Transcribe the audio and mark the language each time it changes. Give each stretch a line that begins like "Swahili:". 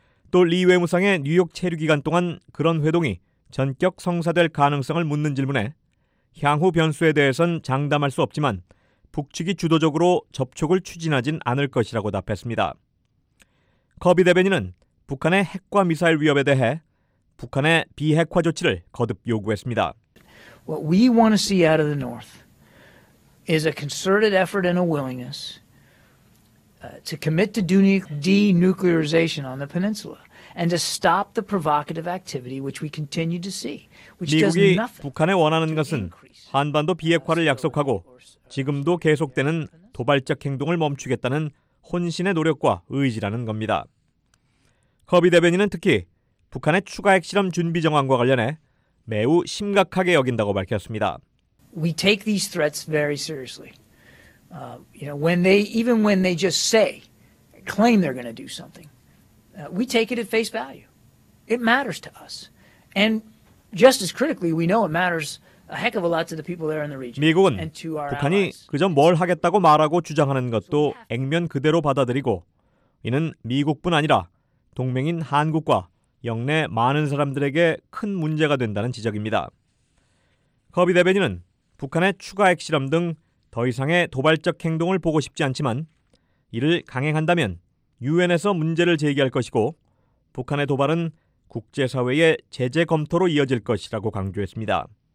Korean: 또 리 외무상의 뉴욕 체류 기간 동안 그런 회동이 전격 성사될 가능성을 묻는 질문에 향후 변수에 대해선 장담할 수 없지만 북측이 주도적으로 접촉을 추진하진 않을 것이라고 답했습니다. 커비 대변인은 북한의 핵과 미사일 위협에 대해 북한의 비핵화 조치를 거듭 요구했습니다.
English: What we want to see out of the North is a concerted effort and a willingness to commit to denuclearization on the peninsula and to stop the provocative activity which we continue to see.
Korean: 미국이 북한에 원하는 것은 한반도 비핵화를 약속하고 지금도 계속되는 도발적 행동을 멈추겠다는 혼신의 노력과 의지라는 겁니다. 커비 대변인은 특히 북한의 추가 핵실험 준비 정황과 관련해 매우 심각하게 여긴다고 밝혔습니다.
English: We take these threats very seriously. You know, when they even when they just say claim they're going to do something. We take it at face value. It matters to us. And just as critically, we know it matters a heck of a lot to the people there in the region.
Korean: 미국은 북한이 그저 뭘 하겠다고 말하고 주장하는 것도 액면 그대로 받아들이고 이는 미국뿐 아니라 동맹인 한국과 영내 많은 사람들에게 큰 문제가 된다는 지적입니다. 커비 대변인은 북한의 추가 핵실험 등 더 이상의 도발적 행동을 보고 싶지 않지만 이를 강행한다면 유엔에서 문제를 제기할 것이고 북한의 도발은 국제사회의 제재 검토로 이어질 것이라고 강조했습니다.